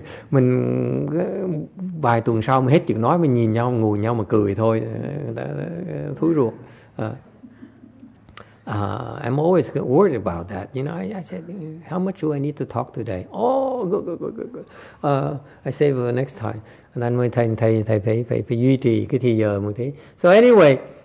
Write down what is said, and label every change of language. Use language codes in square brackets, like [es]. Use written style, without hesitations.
[vi] mình vài tuần sau mới hết chuyện nói, mình nhìn nhau, ngồi nhau mà cười thôi, thúi ruột. [en] I'm always worried about that. You know, I said, how much do I need to talk today? Oh, good. I save for the next time. And then when [vi] thầy phải duy trì cái thì giờ một tí. [en] So anyway,